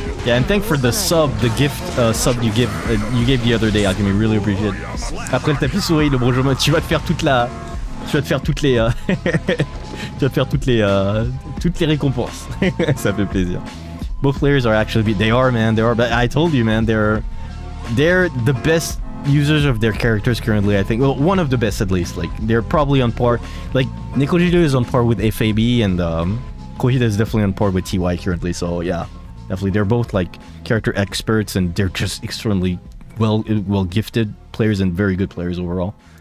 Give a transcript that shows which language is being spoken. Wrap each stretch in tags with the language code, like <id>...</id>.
<en>Yeah, and thanks for the sub, the gift sub you gave the other day, Akemi. Really appreciate it.</en> <fr>Après le tapis souris, le Brojo mug, tu vas te faire toutes les récompenses. Ça fait plaisir.</fr> <en>Both players are actually they are, man. They are, but I told you, man, they're the best users of their characters currently, I think. Well, one of the best at least. Like, they're probably on par. Like, Nekoziru is on par with FAB, and Kouhide is definitely on par with TY currently. So yeah, definitely, they're both like character experts, and they're just extremely well gifted players and very good players overall.</en>